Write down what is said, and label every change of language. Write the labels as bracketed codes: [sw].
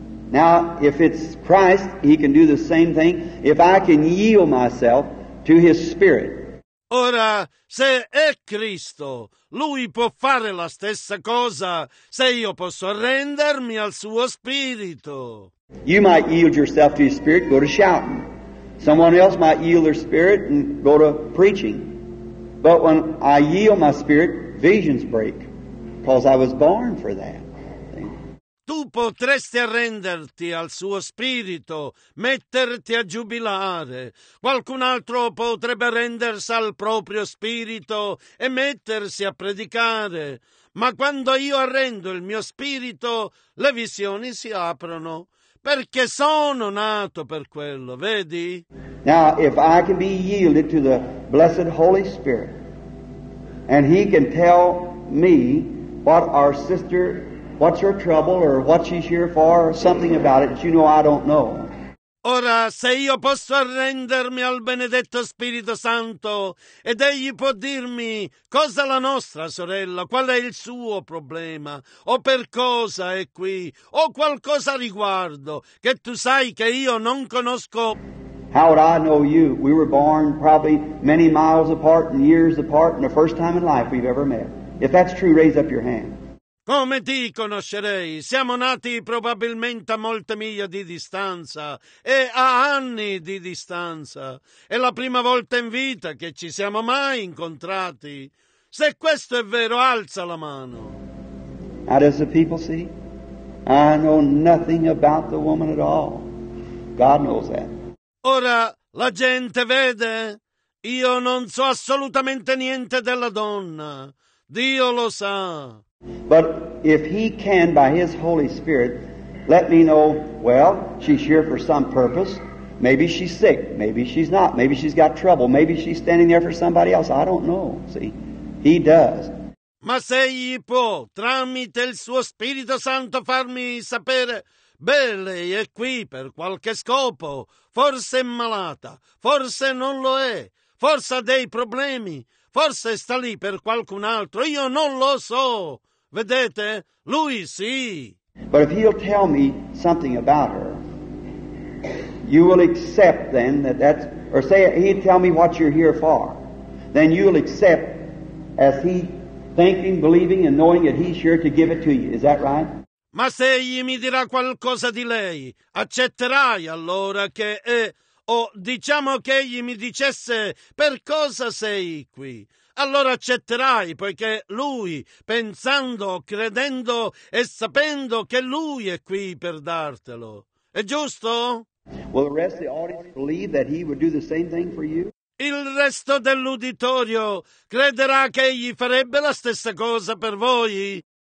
[en] Now, if it's Christ, he can do the same thing. If I can yield myself to his spirit. [it] Ora, se è Cristo, lui può fare la stessa cosa, se io posso arrendermi al suo spirito. [en] You might yield yourself to his spirit, go to shouting. Someone else might yield their spirit and go to preaching. But when I yield my spirit, visions break, because I was born for that. [it] Tu potresti arrenderti al suo spirito, metterti a giubilare. Qualcun altro potrebbe arrendersi al proprio spirito e mettersi a predicare. Ma quando io arrendo il mio spirito, le visioni si aprono, perché sono nato per quello, vedi? [en] Now, if I can be yielded to the blessed Holy Spirit, and he can tell me what our sister, what's her trouble, or what she's here for, or something about it that you know I don't know. [it] Ora, se io posso arrendermi al benedetto Spirito Santo, ed egli può dirmi cosa la nostra sorella, qual è il suo problema, o per cosa è qui, o qualcosa riguardo, che tu sai che io non conosco. [en] How would I know you? We were born probably many miles apart and years apart, and the first time in life we've ever met. If that's true, raise up your hand. [it] Come ti conoscerei? Siamo nati probabilmente a molte miglia di distanza e a anni di distanza. È la prima volta in vita che ci siamo mai incontrati. Se questo è vero, alza la mano. [en] How does the people see? I know nothing about the woman at all. God knows that. [it] Ora, la gente vede? Io non so assolutamente niente della donna. Dio lo sa. [en] But if he can, by his Holy Spirit, let me know, well, she's here for some purpose. Maybe she's sick. Maybe she's not. Maybe she's got trouble. Maybe she's standing there for somebody else. I don't know. See, he does. [it] Ma se gli può, tramite il suo Spirito Santo, farmi sapere, beh, lei è qui per qualche scopo. Forse è malata. Forse non lo è. Forse ha dei problemi. Forse sta lì per qualcun altro. Io non lo so. Vedete? Lui sì. [en] But if he'll tell me something about her, you will accept then that that's... Or say he'll tell me what you're here for. Then you'll accept as he thinking, believing and knowing that he's here to give it to you. Is that right? [it] Ma se egli mi dirà qualcosa di lei, accetterai allora che è... O diciamo che egli mi dicesse per cosa sei qui, allora accetterai, poiché lui, pensando, credendo e sapendo che lui è qui per dartelo. È giusto? [en] Will the rest of the audience believe that he would do the same thing for you? [it] Il resto dell'uditorio crederà che egli farebbe la stessa cosa per voi?